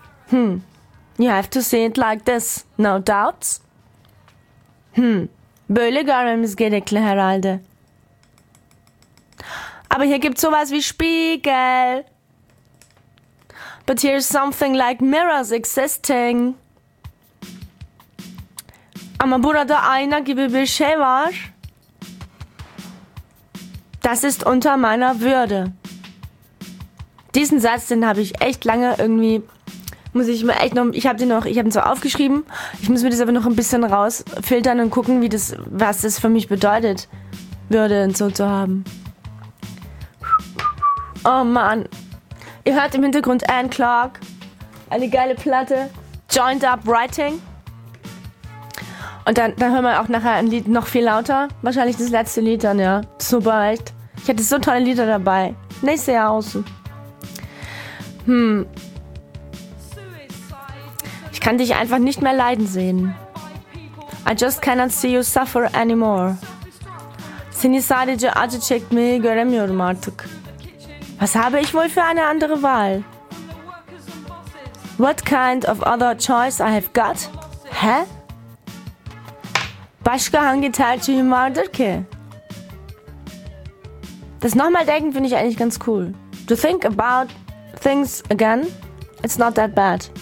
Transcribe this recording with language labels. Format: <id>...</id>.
<en>You have to see it like this. No doubts.</en> <tr>Böyle görmemiz gerekli herhalde.</tr> <de>Aber hier gibt's sowas wie Spiegel.</de> <en>But here's something like mirrors existing.</en> <tr>Ama burada ayna gibi bir şey var.</tr> <de>Das ist unter meiner Würde. Diesen Satz, den habe ich echt lange irgendwie, muss ich mir echt noch, ich habe ihn zwar aufgeschrieben, ich muss mir das aber noch ein bisschen rausfiltern und gucken, wie das, was das für mich bedeutet, Würde und so zu haben. Oh Mann. Ihr hört im Hintergrund Anne Clark. Eine geile Platte. Joined Up Writing. Und dann hören wir auch nachher ein Lied noch viel lauter. Wahrscheinlich das letzte Lied dann, ja. Super, echt. Ich hatte so tolle Lieder dabei. Nächstes Jahr aus. Ich kann dich einfach nicht mehr leiden sehen.</de> <en>I just cannot see you suffer anymore.</en> <tr>Seni sadece acı çekmeyi göremiyorum artık.</tr> <de>Was habe ich wohl für eine andere Wahl?</de> <en>What kind of other choice I have got? Hä?</en> <tr>Başka hangi tercihim vardır ki?</tr> <de>Das nochmal denken finde ich eigentlich ganz cool.</de> <en>To think about things again, it's not that bad.</en>